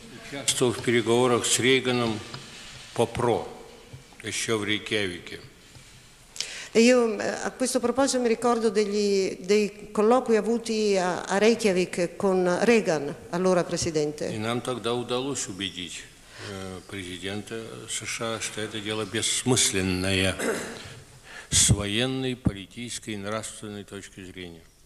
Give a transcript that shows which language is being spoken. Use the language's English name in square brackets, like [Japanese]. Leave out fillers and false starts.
[Russian] Часто в переговорах с Рейганом по ПРО, еще в Рейкьявике. [Italian] Io a questo proposito mi ricordo dei colloqui avuti a Reykjavik con Reagan, allora presidente. [Russian] И нам тогда удалось убедить президента США, что это дело бессмысленное с военной, политической и нравственной точки зрения.